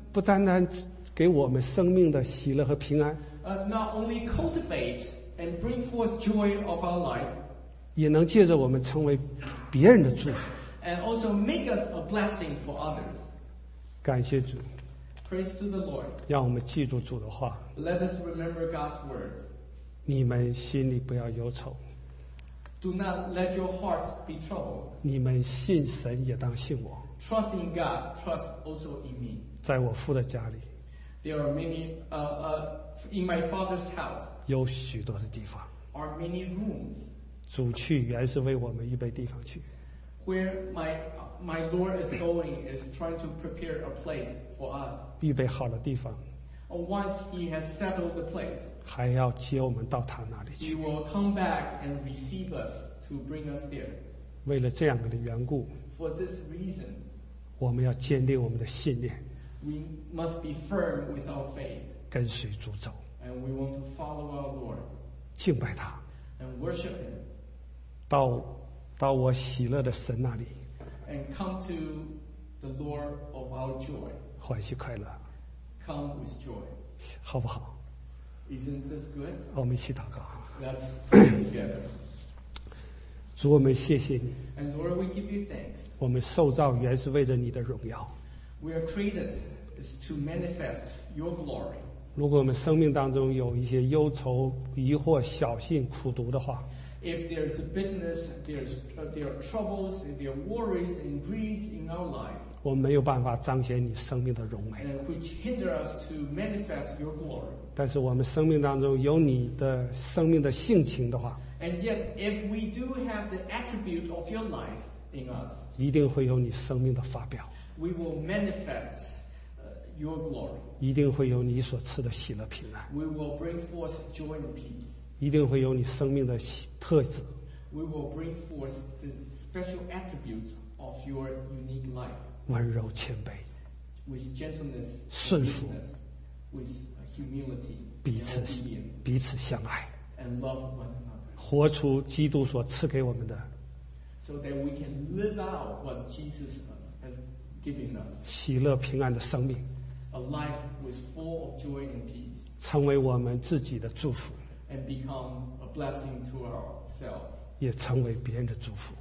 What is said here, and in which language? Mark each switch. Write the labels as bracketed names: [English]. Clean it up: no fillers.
[Chinese] 不单单给我们生命的喜乐和平安 [English] not only cultivate and bring forth joy of our life [Chinese] 也能借着我们成为别人的祝福 [English] And also make us a blessing for others. [Chinese] 感谢主。 [English] Praise to the Lord. [Chinese] 让我们记住主的话。 [English] Let us remember God's words. [Chinese] 你们心里不要忧愁。 [English] Do not let your hearts be troubled. [Chinese] 你们信神也当信我。 [English] Trust in God, trust also in me. [Chinese] 在我父的家里。 [English] There are many, in my father's house. [Chinese] 有许多的地方。 [English] Are many rooms. [Chinese] 主去原是为我们预备地方去。 [English] Where my Lord is going is trying to prepare a place for us. [Chinese] 预备好了地方。 [English] Once he has settled the place, [Chinese] 还要接我们到他那里去。 [English] He will come back and receive us to bring us there. [Chinese] 为了这样的缘故。 [English] For this reason, [Chinese] 我们要坚定我们的信念。 [English] We must be firm with our faith. [Chinese] 跟随主走。 [English] And we want to follow our Lord. [Chinese] 敬拜他。 [English] And worship him. [Chinese] 到我喜乐的神那里 [English] and come to the Lord of our joy [Chinese] 欢喜快乐 [English] come with joy [Chinese] 好不好 [English] isn't this good [Chinese] 我们一起祷告 [English] let's pray together [Chinese] 主我们谢谢你 [English] and Lord we give you thanks [Chinese] 我们受造原是为着你的荣耀 [English] we are created to manifest your glory [Chinese] 如果我们生命当中有一些忧愁疑惑小信苦读的话 [English] If there is bitterness, there are troubles, there are worries and griefs in our lives, [Chinese] 我们没有办法彰显你生命的荣美 [English] which hinder us to manifest your glory. [Chinese] 但是我们生命当中有你的生命的性情的话 [English] and yet if we do have the attribute of your life in us, [Chinese] 一定会有你生命的发表 [English] we will manifest your glory. [Chinese] 一定会有你所赐的喜乐平安 [English] we will bring forth joy and peace. [Chinese] 一定会有你生命的特质 [English] We will bring forth the special attributes of your unique life [Chinese] 温柔谦卑 [English] With gentleness [Chinese] 顺服 [English] With humility [Chinese] 彼此相爱 [English] And love one another [Chinese] 活出基督所赐给我们的 [English] So that we can live out what Jesus has given us [Chinese] 喜乐平安的生命 [English] A life with full of joy and peace [Chinese] 成为我们自己的祝福 [English] And become a blessing to ourselves. [Chinese] 也成为别人的祝福